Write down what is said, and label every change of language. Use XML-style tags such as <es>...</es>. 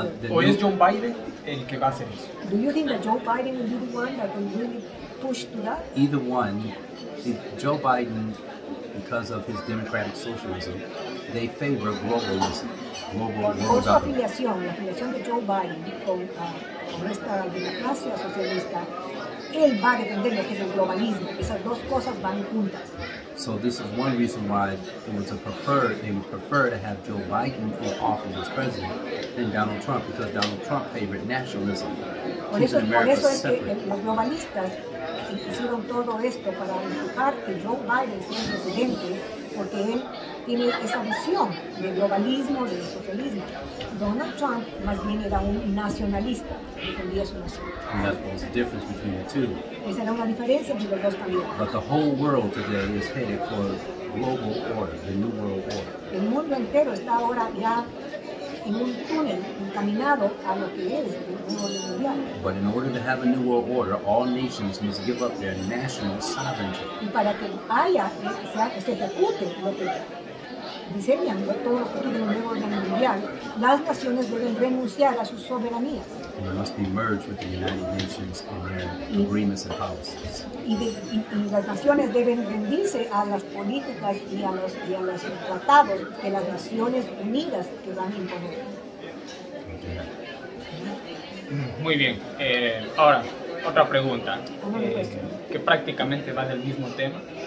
<es>¿O es John Biden el que va a hacer eso?</es> <en>Do you think that Joe Biden will be the one that will really push to that? Either one. If Joe Biden, because of his democratic socialism, they favor globalism, global government.</en> <es>Por su afiliación, la afiliación de Joe Biden con esta democracia socialista, él va a defender lo que es el globalismo. Esas dos cosas van juntas.</es> <en>So this is one reason why they would prefer to have Joe Biden in office as president than Donald Trump, because Donald Trump favored nationalism.</en> <es>Por eso es que los globalistas hicieron todo esto para empujar que Joe Biden sea presidente, porque él tiene esa visión del globalismo, del socialismo. Donald Trump más bien era un nacionalista, defendía su nación.</es> <en>And that was the difference between the two.</en> <es>Esa era una diferencia entre los dos candidatos.</es> <en>But the whole world today is headed for global order, the new world order.</en> <es>El mundo entero está ahora ya en un túnel encaminado a lo que es el nuevo orden mundial.</es> <en>But in order to have a new world order, all nations must give up their national sovereignty.</en> <es>Y para que haya, se ejecute lo que diseñan todos los partidos del nuevo orden mundial, las naciones deben renunciar a sus soberanías.</es> <en>They must be merged with the United Nations in their agreements and policies.</en> <es>Y las naciones deben rendirse a las políticas y a los tratados de las Naciones Unidas que van a imponer.</es> <en>Okay.</en> <es>Muy bien. Ahora, otra pregunta. Que prácticamente va del mismo tema.</es>